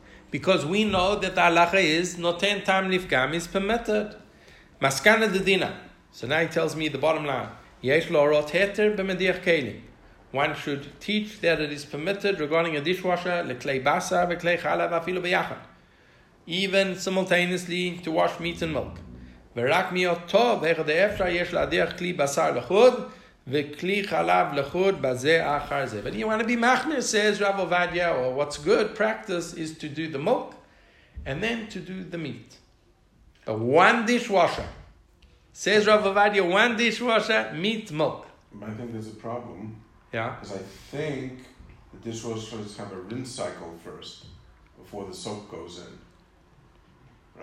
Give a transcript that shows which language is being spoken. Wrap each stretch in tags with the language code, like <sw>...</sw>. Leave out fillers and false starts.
<en>Because we know that the halacha is noten tam nifgam is permitted. Maskana de dina. So now he tells me the bottom line.</en> <he>Yesh lo rot heter b'medir keli.</he> <en>One should teach that it is permitted regarding a dishwasher</en> <he>leklei basa veklei chalav afilu b'yachad,</he> <en>even simultaneously to wash meat and milk.</en> <he>ורק מיות טוב, איך זה אפשר, יש להדיח כלי בשר לחוד, וכלי חלב לחוד בזה אחר זה.</he> <en>But you want to be machner, says Rav Ovadia, or what's good practice is to do the milk, and then to do the meat. But one dishwasher, says Rav Ovadia, one dishwasher, meat, milk. I think there's a problem. Yeah. Because I think the dishwashers have a rinse cycle first, before the soap goes in.</en>